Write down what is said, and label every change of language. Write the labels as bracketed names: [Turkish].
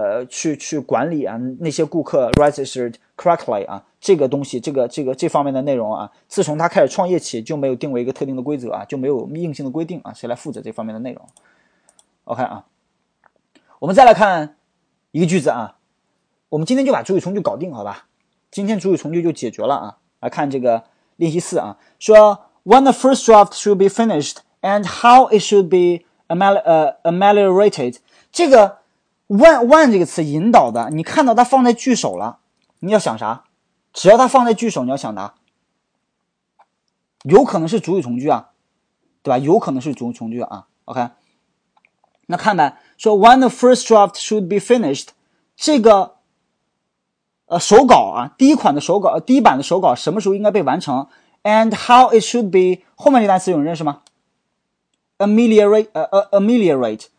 [Chinese] 去管理啊，那些顾客 [English] registered correctly [Chinese] 啊，这个东西，这个这方面的内容啊，自从他开始创业起，就没有定为一个特定的规则啊，就没有硬性的规定啊，谁来负责这方面的内容 ？OK 啊，我们再来看一个句子啊，我们今天就把主语从句搞定，好吧？ [English] 今天主语从句就解决了啊， [Chinese] 来看这个练习四啊，说 [English] when the first draft should be finished and how it should be ameliorated， 这个。 [Chinese] when 这个词引导的，你看到它放在句首了，你要想啥？只要它放在句首，你要想啥？有可能是主语从句啊，对吧？有可能是主语从句啊。 OK， 那看呗，说 [English] when the first draft should be finished， [Chinese] 这个手稿啊，第一款的手稿，第一版的手稿什么时候应该被完成 ？ [English] And how it should be， [Chinese] 后面这单词有人认识吗 ？Ameliorate。